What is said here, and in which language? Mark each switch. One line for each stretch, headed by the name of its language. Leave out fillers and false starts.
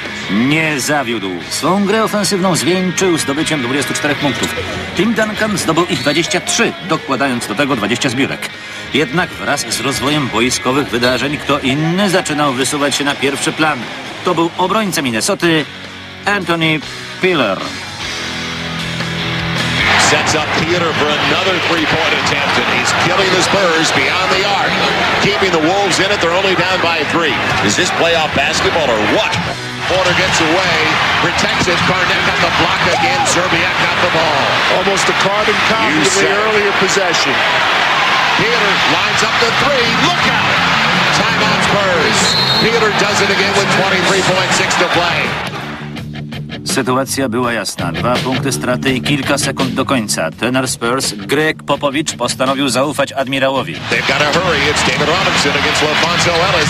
Polish: Nie zawiódł. Swą grę ofensywną zwieńczył zdobyciem 24 punktów. Tim Duncan zdobył ich 23, dokładając do tego 20 zbiórek. Jednak wraz z rozwojem boiskowych wydarzeń kto inny zaczynał wysuwać się na pierwszy plan. To był obrońca Minnesoty, Anthony Peeler.
English: Sets up Peeler for another three-point attempt and he's killing the Spurs beyond the arc. Keeping the Wolves in it, they're only down by 3. Is this playoff basketball or what? Porter gets away, protects it. Garnett got the block again. Zerbiak got the ball. Almost a carbon copy of the earlier possession. Peeler lines up the three. Look out! Timeout Spurs. Peeler does it again with 23.6 to play.
Polish: Sytuacja była jasna. 2 punkty straty i kilka sekund do końca. Trener Spurs, Greg Popovich, postanowił zaufać admirałowi.
English: They've got a hurry. It's David Robinson against Lafonso Ellis.